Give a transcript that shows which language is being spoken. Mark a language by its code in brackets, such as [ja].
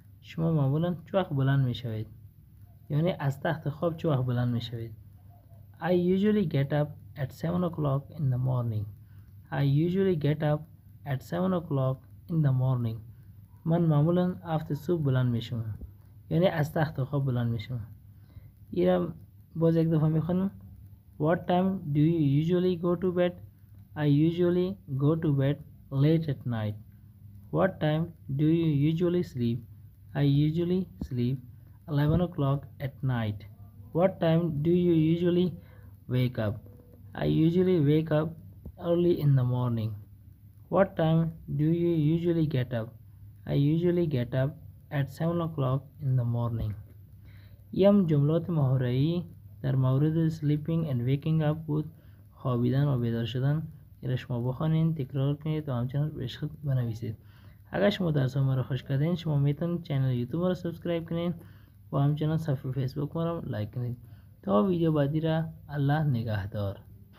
[fa] شما معمولا چه وقت بلند میشوید؟ یعنی از تخت خواب چه وقت بلند میشوید؟ [en] I usually get up at 7 o'clock in the morning. I usually get up at 7 o'clock in the morning. [fa] من معمولا هفته صبح بلند میشم، یعنی از تخت خواب بلند میشم. ایرم باز یک دفعه میخونم. [en] What time do you usually go to bed? I usually go to bed late at night. What time do you usually sleep? I usually sleep 11 o'clock at night. What time do you usually wake up? I usually wake up early in the morning. What time do you usually get up? I usually get up at 7 o'clock in the morning. [fa] یم جملات محاوره‌ای در مورد [en] sleeping and waking up [fa] بود، خوابیدن و بیدار شدن. این را شما بخوانید، تکرار کنید و همچنان پیش خود بنویسید. اگر شما درس ما را خوش کردین، شما میتونید چنل یوتیوب را سابسکرایب کنید و همچنان صفحه فیسبوک ما را لایک کنید. تا ویدیو بعدی را الله نگهدار.